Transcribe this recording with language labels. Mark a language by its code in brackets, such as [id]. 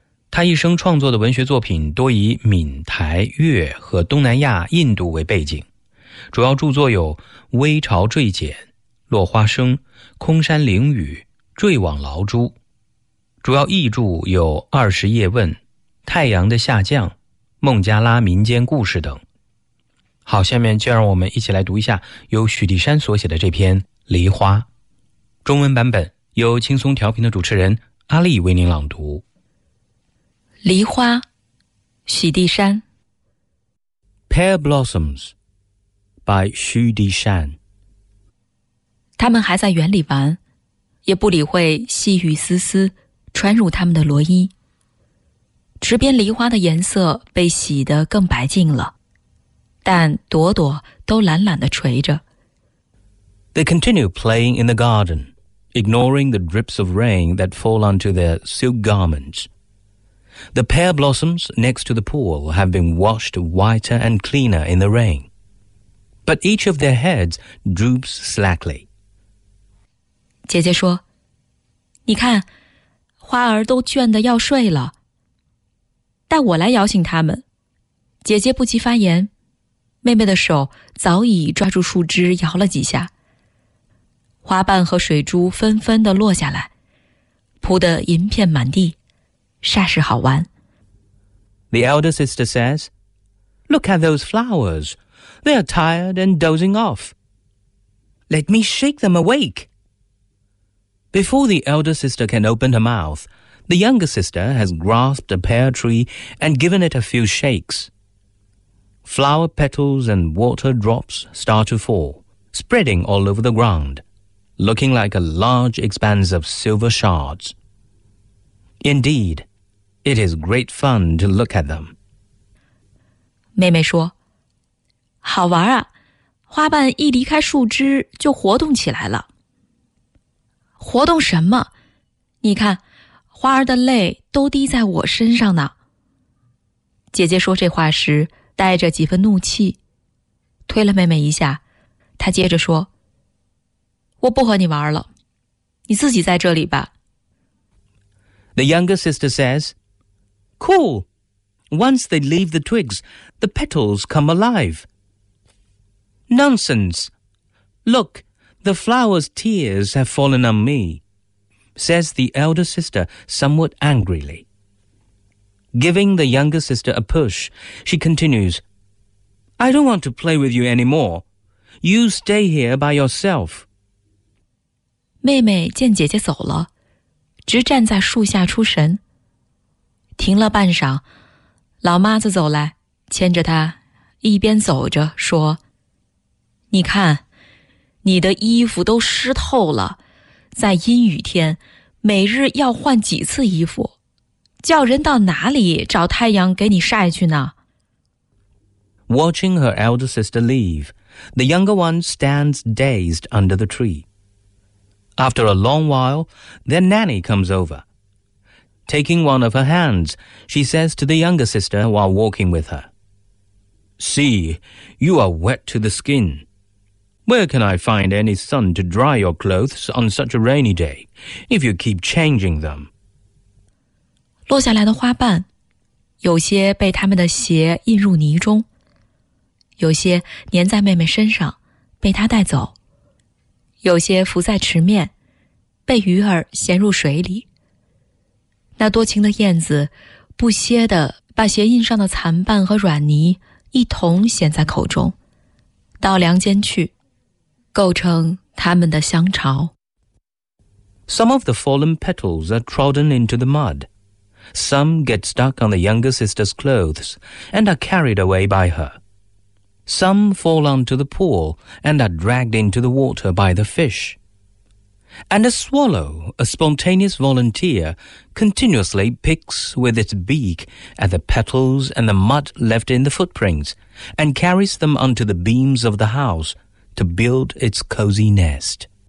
[zh] 他一生创作的文学作品多以闽、台、粤和东南亚、印度为背景，主要著作有《微潮坠简》《落花生》《空山灵雨》《坠网劳珠》，主要译著有《二十叶问》《太阳的下降》《孟加拉民间故事》等。好，下面就让我们一起来读一下由许地山所写的这篇《梨花》。中文版本由轻松调频的主持人阿丽为您朗读。 《梨花》，许地山。 [en] Pear Blossoms by 许地山。 [zh] 他们还在园里玩，也不理会细雨丝丝穿入他们的罗衣，池边梨花的颜色被洗得更白净了，但朵朵都懒懒地垂着。 [en] They continue playing in the garden, ignoring the drips of rain that fall onto their silk garments. The pear blossoms next to the pool have been washed whiter and cleaner in the rain, but each of their heads droops slackly. [zh] 姐姐说，你看花儿都倦得要睡了，带我来摇醒他们。姐姐不及发言，妹妹的手早已抓住树枝摇了几下，花瓣和水珠纷纷地落下来，铺得银片满地，煞是好玩。 [en] The elder sister says, Look at those flowers. They are tired and dozing off. Let me shake them awake. Before the elder sister can open her mouth, the younger sister has grasped a pear tree and given it a few shakes. Flower petals and water drops start to fall, spreading all over the ground, looking like a large expanse of silver shards. Indeed, it is great fun to look at them. [zh] 妹妹说，好玩啊，花瓣一离开树枝就活动起来了。活动什么？你看，花儿的泪都滴在我身上呢。姐姐说这话时带着几分怒气，推了妹妹一下，她接着说，我不和你玩了，你自己在这里吧。 [en] The younger sister says, Cool! Once they leave the twigs, the petals come alive. Nonsense! Look! The flower's tears have fallen on me, says the elder sister somewhat angrily. Giving the younger sister a push, she continues, I don't want to play with you anymore. You stay here by yourself. [zh] 妹妹见姐姐走了，直站在树下出神。停了半晌，老妈子走来，牵着她，一边走着说，你看你的衣服都湿透了，在阴雨天，每日要换几次衣服，叫人到哪里找太阳给你晒去呢？ [en] Watching her elder sister leave, the younger one stands dazed under the tree. After a long while, their nanny comes over. Taking one of her hands, she says to the younger sister while walking with her, See, you are wet to the skin. Where can I find any sun to dry your clothes on such a rainy day, if you keep changing them? [zh] 落下来的花瓣，有些被他们的鞋印入泥中，有些粘在妹妹身上，被她带走，有些浮在池面，被鱼儿衔入水里。那多情的燕子，不歇地把鞋印上的残瓣和软泥一同衔在口中，到梁间去。构成他们的香巢。 [en] Some of the fallen petals are trodden into the mud. Some get stuck on the younger sister's clothes and are carried away by her. Some fall onto the pool and are dragged into the water by the fish. And a swallow, a spontaneous volunteer, continuously picks with its beak at the petals and the mud left in the footprints and carries them onto the beams of the house to build its cozy nest.